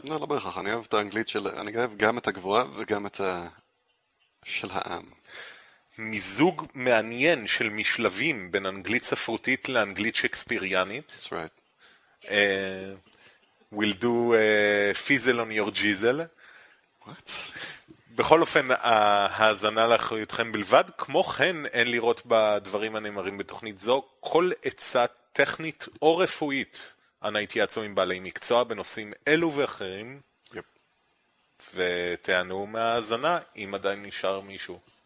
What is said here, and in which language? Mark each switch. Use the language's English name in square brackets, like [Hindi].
[Hebrew] לא, לא בהכרח, אני אוהב את האנגלית של... אני אוהב גם את הגבוהה וגם את ה... של העם. מיזוג מעניין של משלבים בין אנגלית ספרותית לאנגלית שקספיריאנית. [English] That's right. We'll do a fizzle on your jizzle. What? [Hebrew] בכל אופן, ההזנה לאחריותכם בלבד. כמו כן, אין לראות בדברים הנאמרים בתוכנית זו כל עצה טכנית או רפואית. אנא התייעצו עם בעלי מקצוע בנושאים אלו ואחרים. [English] Yep. [Hebrew] ותענו מההזנה, אם עדיין נשאר מישהו.